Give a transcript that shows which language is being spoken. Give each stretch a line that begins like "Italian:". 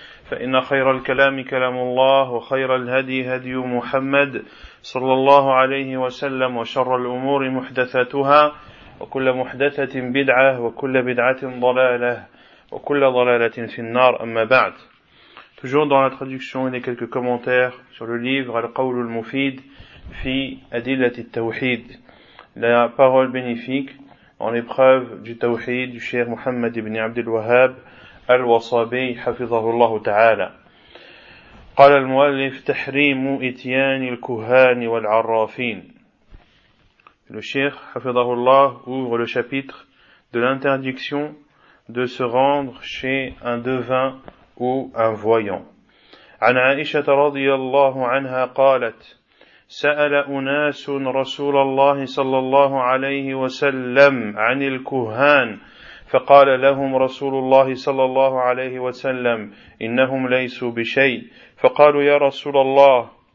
Arabic: فإن خير الكلام كلام الله وخير الهدي هدي محمد صلى الله عليه وسلم وشر الأمور محدثاتها وكل محدثة بدعة وكل بدعة ضلالة وكل ضلالة في النار أما بعد.
French: Toujours dans la traduction et quelques commentaires sur le livre Al-Qawl al-Mufid fi Adillat al-Tawhid, la parole bénéfique en épreuve du Tawhid du Cheikh Mohammed ibn Abd al-Wahhab al-Wasabi
Arabic: حفظه الله تعالى. قال المؤلف تحريم إتيان الكهان والعرافين.
French: Le Cheikh
Arabic: حفظه الله
French: ouvre le chapitre de l'interdiction de se rendre chez un devin ou un voyant.
Arabic: عن عائشة رضي الله عنها قالت سأل أناس رسول الله صلى الله عليه وسلم عن الكهان فقال لهم رسول الله صلى الله عليه وسلم إنهم ليسوا بشيء فقالوا يا رسول الله